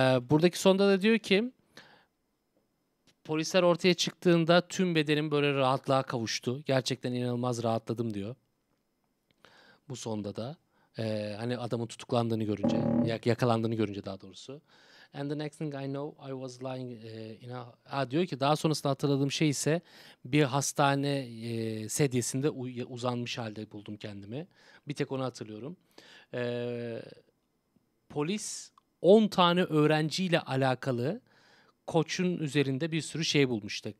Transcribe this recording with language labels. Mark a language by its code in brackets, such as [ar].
[tr] Buradaki sonda da diyor ki polisler ortaya çıktığında tüm bedenim böyle rahatlığa kavuştu. Gerçekten inanılmaz rahatladım diyor. Bu sonda da hani adamın tutuklandığını görünce, yakalandığını görünce daha doğrusu. [en] And the next thing I know I was lying in a... [tr] Ha, diyor ki daha sonrasında hatırladığım şey ise bir hastane sedyesinde uzanmış halde buldum kendimi. Bir tek onu hatırlıyorum. Polis 10 tane öğrenciyle alakalı koçun üzerinde bir sürü şey bulmuştu.